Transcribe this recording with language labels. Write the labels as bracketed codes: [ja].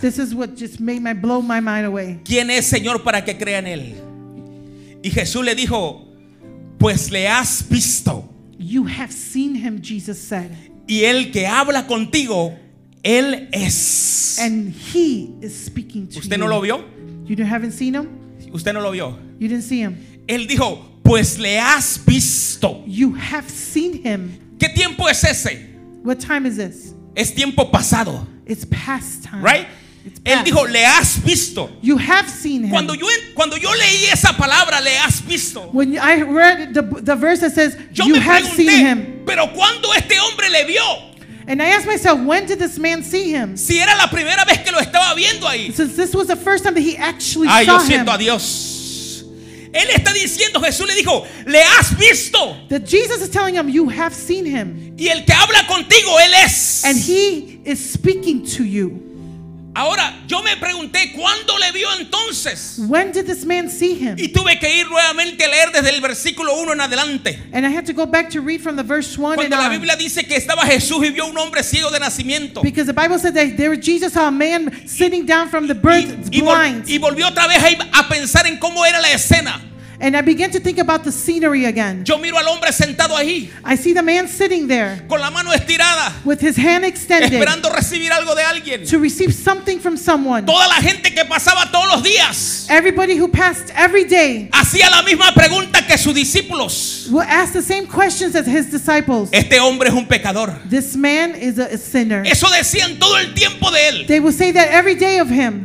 [en] This is what just made my blow my mind away. [es] ¿Quién es, Señor, para que crea en él? Y Jesús le dijo, pues le has visto. [en] You have seen him, Jesus said. [es] Y el que habla contigo, Él es. [en] And he is speaking to [es] ¿Usted [en] you. [es] No lo vio? [en] You haven't seen him? [es] ¿Usted no lo vio? [en] You didn't see him. [es] Él dijo, pues le has visto. [en] You have seen him. [es] ¿Qué tiempo es ese? [en] What time is this? [es] Es tiempo pasado. [en] It's past time. Right? [es] Él dijo, le has visto. [en] You have seen him. [es] Cuando yo leí esa palabra, le has visto. [en] When I read the verse that says, [es] yo [en] you have seen him. [es] Pero cuando este hombre le vio. [en] And I asked myself, when did this man see him? [es] Si era la primera vez que lo estaba viendo ahí. [en] Since this was the first time that he actually saw him. [es] Yo siento a Dios. Él está diciendo, Jesús le dijo, le has visto. [en] That Jesus is telling him, you have seen him. [es] Y el que habla contigo, él es. [en] And he is speaking to you. [es] Ahora yo me pregunté cuándo le vio entonces. [en] When did this man see him? [es] Y tuve que ir nuevamente a leer desde el versículo 1 en adelante. [en] And I had to go back to read from the verse 1 [es] cuando la Biblia dice que estaba Jesús y vio un hombre ciego de nacimiento. [en] Because the Bible said that there Jesus saw a man sitting down from the birth blind. [es] Y volvió otra vez a pensar en cómo era la escena. [en] And I began to think about the scenery again. [es] Yo miro al hombre sentado ahí. [en] I see the man sitting there. [es] Con la mano estirada. [en] With his hand extended. [es] Esperando recibir algo de alguien. [en] To receive something from someone. [es] Toda la gente que pasaba todos los días. [en] Everybody who passed every day. [es] Hacía la misma pregunta que sus discípulos. [en] Would ask the same questions as his disciples. [es] Este hombre es un pecador. [en] This man is a sinner. [es] Eso decían todo el tiempo de él. [en] They would say that every day of him.